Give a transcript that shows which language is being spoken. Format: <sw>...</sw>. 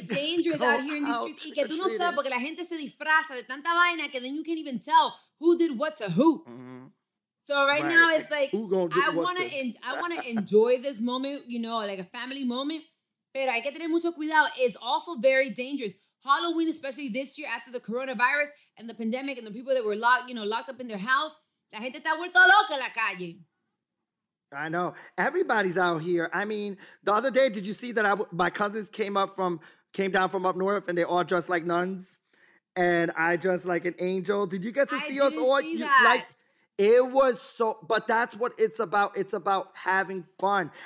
<en>It's dangerous out here in the streets.</en> <es>Y que tú no sabes, porque la gente se disfraza de tanta vaina que</es> <en>then you can't even tell who did what to who. Mm-hmm. So right now it's like, I want to enjoy this moment, you know, like a family moment.</en> <es>Pero hay que tener mucho cuidado.</es> <en>It's also very dangerous. Halloween, especially this year after the coronavirus and the pandemic and the people that were locked, you know, locked up in their house.</en> <es>La gente está vuelta loca en la calle.</es> <en>I know. Everybody's out here. I mean, the other day, did you see that my cousins came down from up north and they all dressed like nuns and I dressed like an angel? Did you get to see us all? Like, it was so, but that's what it's about. It's about having fun.</en>